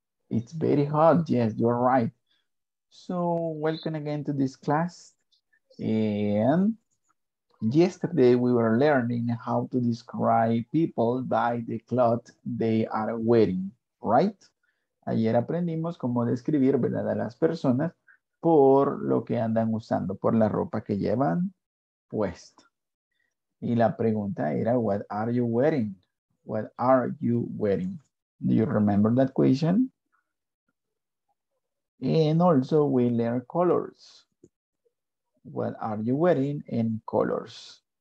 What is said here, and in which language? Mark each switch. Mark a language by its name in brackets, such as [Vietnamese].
[English] It's very hot, yes, you're right. So, welcome again to this class. And yesterday we were learning how to describe people by the cloth they are wearing, right? [Spanish] Ayer aprendimos cómo describir, ¿verdad?, a las personas por lo que andan usando, por la ropa que llevan puesta. Y la pregunta era, [English] what are you wearing? What are you wearing? Do you remember that question? And also we learn colors. What are you wearing and colors?